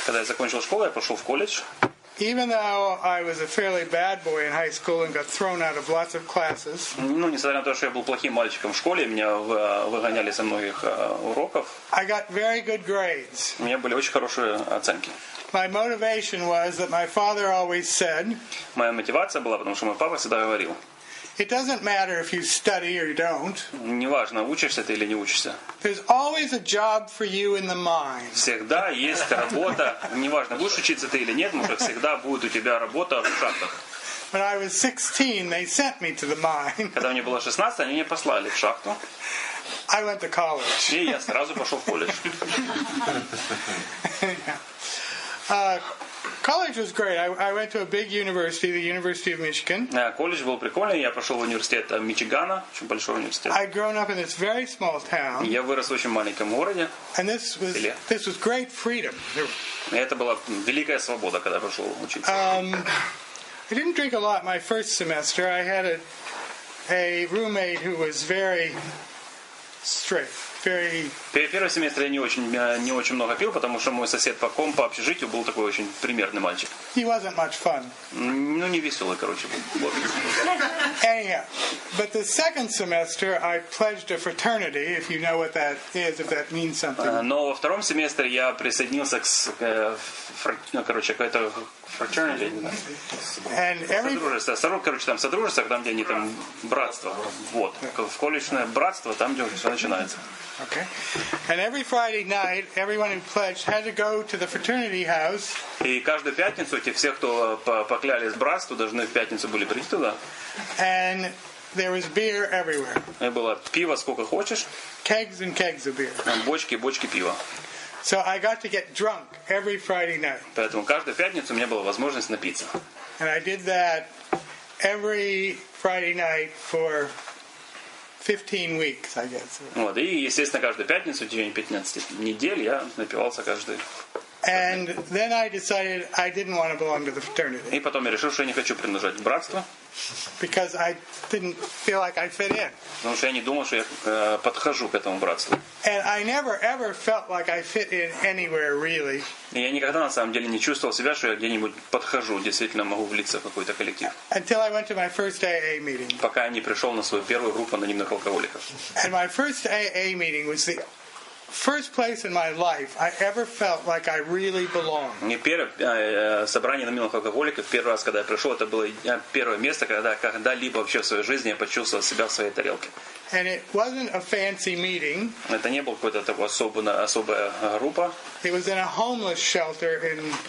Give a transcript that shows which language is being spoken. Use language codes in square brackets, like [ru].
[ru] Когда я закончил школу, я пошел в колледж. [en] Even though I was a fairly bad boy in high school and got thrown out of lots of classes. [ru] Ну, несмотря на то, что я был плохим мальчиком в школе, меня выгоняли со многих уроков. [en] I got very good grades. [ru] У меня были очень хорошие оценки. [en] My motivation was that my father always said. [ru] Моя мотивация была, потому что мой папа всегда говорил. [en] It doesn't matter if you study or you don't. [ru] Неважно, учишься ты или не учишься. [en] There's always a job for you in the mind. [ru] Всегда есть работа. Неважно, будешь учиться ты или нет, но всегда будет у тебя работа в шахтах. [en] When I was 16, they sent me to the mine. [ru] Когда мне было 16, они меня послали в шахту. [en] I went to college. [ru] И я сразу пошел в колледж. [en] College was great. I went to a big university, the University of Michigan. [ru] Колледж был прикольный. Я прошел в университет Мичигана, очень большой университет. [en] I'd grown up in this very small town. [ru] Я вырос в очень маленьком городе. [en] And this was great freedom. [ru] Это была великая свобода, когда пошел учиться. [en] I didn't drink a lot my first semester. I had a roommate who was very strict. [ru] Первый семестр я не очень много пил, потому что мой сосед по общежитию был такой очень примерный мальчик. [en] He wasn't much fun. [ru] Ну, не веселый, короче, был. [en] Anyhow, but the second semester I pledged a fraternity, if you know what that is, if that means something. [ru] Но во втором семестре я присоединился к какой-то fraternity. [en] And [ru] содружество, там, где они там братство. Вот. В колледжное братство, там, где все начинается. [en] Okay. And every Friday night, everyone who pledged had to go to the fraternity house. [ru] И каждую пятницу эти все, кто поклялись братству, должны в пятницу были прийти туда. [en] And there was beer everywhere. [ru] И было пиво сколько хочешь. [en] Kegs and kegs of beer. [ru] Бочки и бочки пива. [en] So I got to get drunk every Friday night. [ru] Поэтому каждую пятницу у меня была возможность напиться. [en] And I did that every Friday night for 15 weeks, I guess. [ru] Вот, и, естественно, каждую пятницу, в течение 15 недель, я напивался каждый. [en] And then I decided I didn't want to belong to the fraternity. [ru] И потом я решил, что я не хочу принадлежать к братству. [en] Because I didn't feel like I fit in. [ru] Потому что я не думал, что я подхожу к этому братству. [en] And I never ever felt like I fit in anywhere really. [ru] И я никогда на самом деле не чувствовал себя, что я где-нибудь подхожу, действительно могу влиться в какой-то коллектив. [en] Until I went to my first AA meeting. [ru] Пока я не пришел на свою первую группу анонимных алкоголиков. [en] And my first AA meeting was the first place in my life I ever felt like I really belong. [ru] Не первое собрание анонимных алкоголиков, первый раз, когда я пришел, это было первое место, когда-либо вообще в своей жизни я почувствовал себя в своей тарелке. [en] And it wasn't a fancy meeting. [ru] Это не было какой-то такой особая группа. [en] It was in a homeless shelter in.